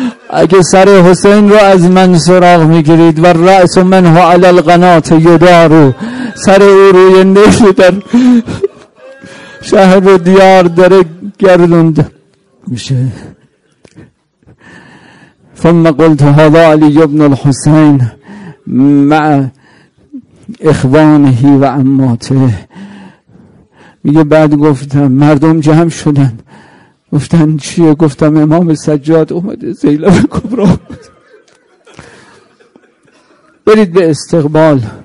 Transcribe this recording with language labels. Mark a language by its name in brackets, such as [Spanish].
[Persian] اگه سر حسین رو از من سراغ میگیرید [Arabic] و رأس من هو علی القنات یدارو، [Persian] سر او روی نشو در شهر و دیار داره گردوند میشه. [Arabic] ثم قلت هذا علی ابن الحسین مع اخوانه و عماته. [Persian] میگه بعد گفتم، مردم جمع شدن گفتن چیه؟ گفتم امام سجاد اومده زینب کبرا. برید به استقبال.